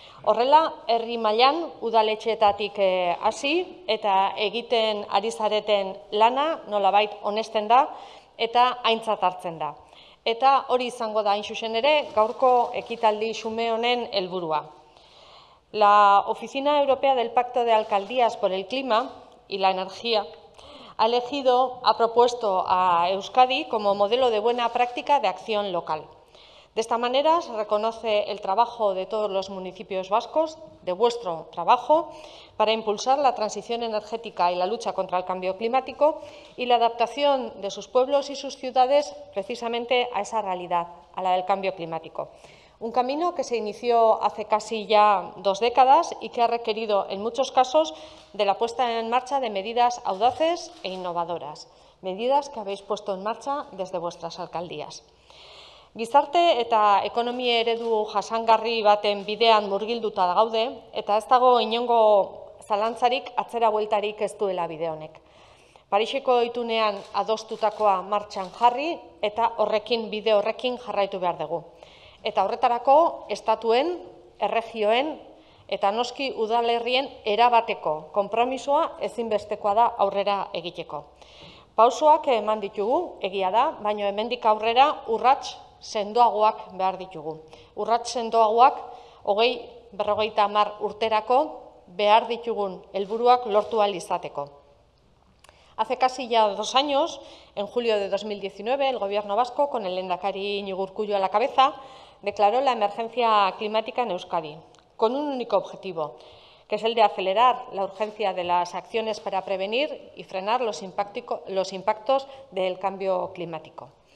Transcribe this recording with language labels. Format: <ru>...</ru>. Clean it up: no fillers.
<eu>Horrela, herri mailan udaletxeetatik hasi eta egiten ari zareten lana nolabait onesten da eta aintzat hartzen da. Eta hori izango da, hain zuzen ere, gaurko ekitaldi xume honen helburua.</eu> <es>La Oficina Europea del Pacto de Alcaldías por el Clima y la Energía ha propuesto a Euskadi como modelo de buena práctica de acción local. De esta manera se reconoce el trabajo de todos los municipios vascos, de vuestro trabajo, para impulsar la transición energética y la lucha contra el cambio climático y la adaptación de sus pueblos y sus ciudades precisamente a esa realidad, a la del cambio climático. Un camino que se inició hace casi ya 2 décadas y que ha requerido en muchos casos de la puesta en marcha de medidas audaces e innovadoras, medidas que habéis puesto en marcha desde vuestras alcaldías.</es> <eu>Gizarte eta ekonomia eredu jasangarri baten bidean murgilduta gaude eta ez dago inongo zalantzarik atzera bueltarik ez duela bide honek. Pariseko itunean adostutakoa martxan jarri eta horrekin bide horrekin jarraitu behar dugu. Eta horretarako estatuen, erregioen eta noski udalerrien erabateko konpromisoa ezinbestekoa da aurrera egiteko. Pausoak eman ditugu, egia da, baino hemendik aurrera urrats sendoagoak behar ditugu. Urrats sendoagoak 2050 urterako behar ditugun helburuak lortu ahal izateko.</eu> <es>Hace casi ya 2 años, en julio de 2019, el Gobierno Vasco, con el lehendakari Iñigo Urkullu a la cabeza, declaró la emergencia climática en Euskadi, con un único objetivo, que es el de acelerar la urgencia de las acciones para prevenir y frenar los impactos del cambio climático.</es>